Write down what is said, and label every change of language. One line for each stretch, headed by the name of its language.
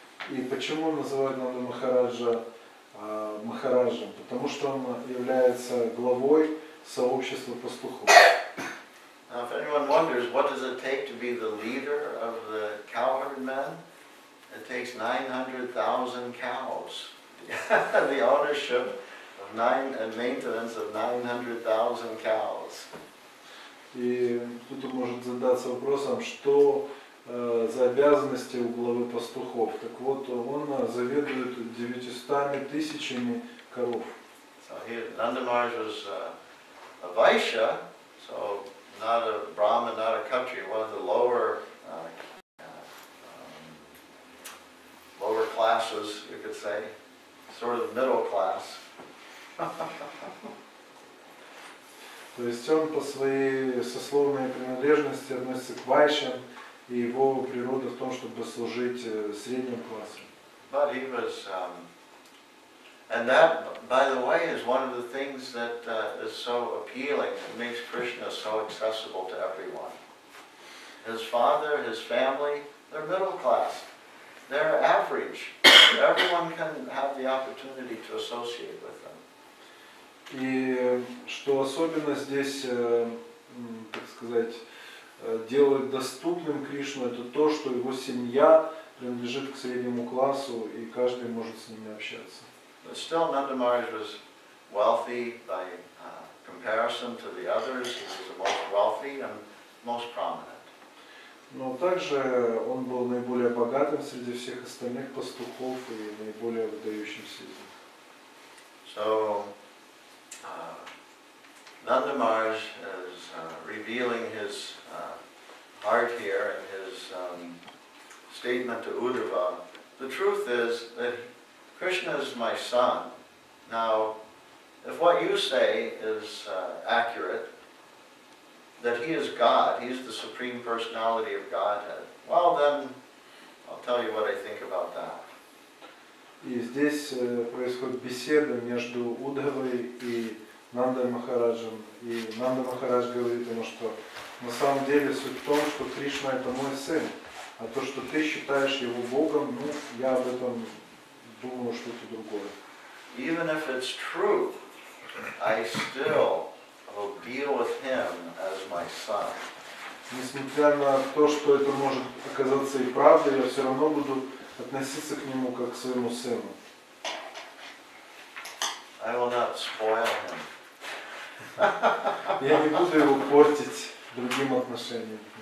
Russian: И почему называют Нанда Махараджа Махараджем, потому что он является главой сообщества пастухов.
English: Now, if anyone wonders, what does it take to be the leader of the cowherd men? It takes 900,000 cows. The ownership of and maintenance of 900,000 cows.
Russian: И кто-то может задаться вопросом, что за обязанности у главы пастухов. Так вот, он заведует 900 тысячами коров.
English: So Nanda Maharaj was a Vaishya, so not a Brahmin, not a Kshatriya, one of the lower classes, you could say, sort of middle class.
Russian: То есть он по своей сословной принадлежности относится к вайшам, и его природа в том, чтобы служить средним классом.
English: But he was, and that, by the way, is one of the things that is so appealing. It makes Krishna so accessible to everyone. His father, his family, they're middle class. They're average. Everyone can have the opportunity to associate with them.
Russian: И что особенно здесь, так сказать, делает доступным Кришну, это то, что его семья принадлежит к среднему классу, и каждый может с ними общаться.
English: But still, Nanda Maharaj was wealthy by comparison to the others. He was the most wealthy and most prominent.
Russian: Но также он был наиболее богатым среди всех остальных пастухов и наиболее выдающимся из них.
English: So, Nanda Maharaj is revealing his heart here in his statement to Uddhava. The truth is that Krishna is my son. Now, if what you say is accurate, that he is God, he is the Supreme Personality of Godhead, well then, I'll tell you what I think about that.
Russian: И здесь происходит беседа между Уддхавой и Нандой Махараджем. И Нанда Махарадж говорит ему, что на самом деле суть в том, что Кришна – это мой сын. А то, что ты считаешь его Богом, ну, я об этом думаю что-то другое.
English: Even if it's true, I still will deal with him as my son.
Russian: Несмотря на то, что это может оказаться и правдой, я все равно буду относиться к нему как к своему сыну.
English: I will not spoil him.
Russian: Я не буду его портить другим отношениям.